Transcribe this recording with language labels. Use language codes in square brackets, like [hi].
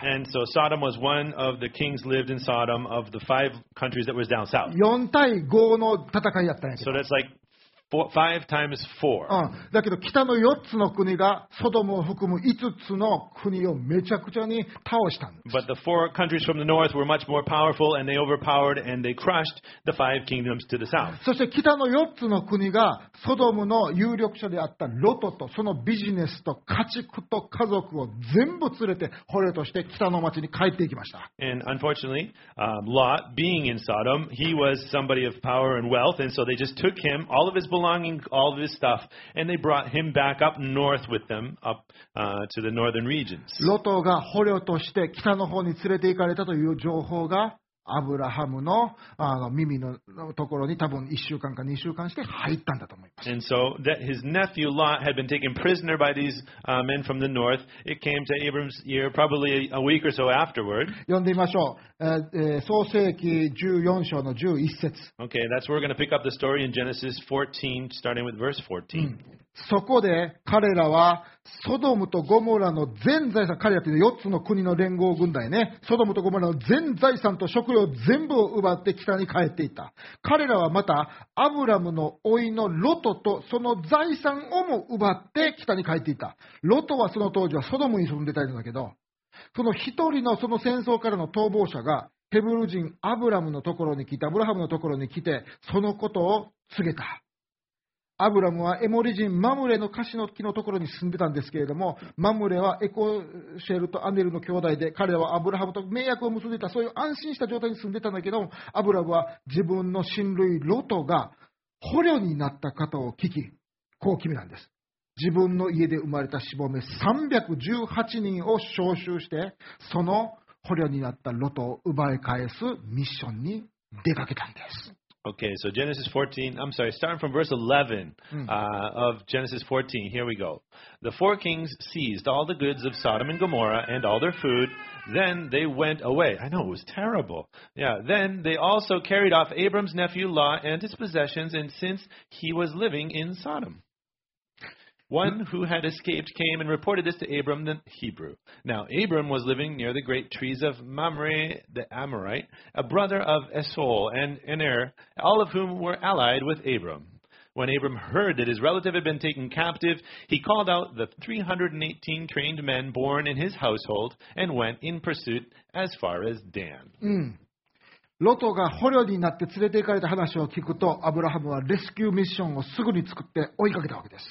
[en] And so, Sodom was one of the kings lived in Sodom of the five countries that was down south. [ja] 4対5の戦いだったんです。 [en] So that's like,5 times 4. [ja] だけど北の4つの国がソドムを含む5つの国をめちゃくちゃに倒したんです。 [en] But the four countries from the north were much more powerful and they overpowered and they crushed the five kingdoms to the south. [ja] そして北の4つの国がソドムの有力者であったロトとそのビジネスと家畜と家族を全部連れて捕虜として北の町に帰っていきました。 [en] And unfortunately, Lot being in Sodom, he was somebody of power and wealth and so they just took him, all of hisbelonging all of his stuff and they brought him back up north with them up, to the northern regions. [ja] ロトが捕虜として北の方に連れて行かれたという情報がアブラハム の耳のところに多分1週間か2週間して入ったんだと思います。 [en] And so that his nephew Lot had been taken prisoner by these men from the north, it came to Abram's ear probably a week or so afterward. [ja] 読んでみましょう。創世記14章の11節。 [en] Okay, that's where we're going to pick up the story in Genesis 14, starting with verse 14.、 [ja] そこで彼らはソドムとゴモラの全財産、彼らというのは4つの国の連合軍団ね、ソドムとゴモラの全財産と食料全部を奪って北に帰っていた。彼らはまたアブラムの甥のロトとその財産をも奪って北に帰っていた。ロトはその当時はソドムに住んでたんだけど、その一人のその戦争からの逃亡者がヘブル人アブラムのところに来て、アブラハムのところに来てそのことを告げた。アブラムはエモリ人マムレのカシノキのところに住んでたんですけれども、マムレはエコシェルとアネルの兄弟で、彼らはアブラハムと契約を結んでた、そういう安心した状態に住んでたんだけども、アブラムは自分の親類ロトが捕虜になった方を聞き、こう決めたんです。自分の家で生まれたしぼめ318人を召集して、その捕虜になったロトを奪い返すミッションに出かけたんです。 [en] Okay, so Genesis 14, I'm sorry, starting from verse 11 of Genesis 14, here we go. The four kings seized all the goods of Sodom and Gomorrah and all their food. Then they went away. I know, it was terrible. Yeah, then they also carried off Abram's nephew Lot and his possessions, and since he was living in Sodom. One who had escaped came and reported this to Abram the Hebrew. Now Abram was living near the great trees of Mamre the Amorite, a brother of Esau and Aner, all of whom were allied with Abram. When Abram heard that his relative had been taken captive, he called out the 318 trained men born in his household and went in pursuit as far as Dan. [ja] ロトが捕虜になって連れて行かれた話を聞くと、アブラハムはレスキューミッションをすぐに作って追いかけたわけです。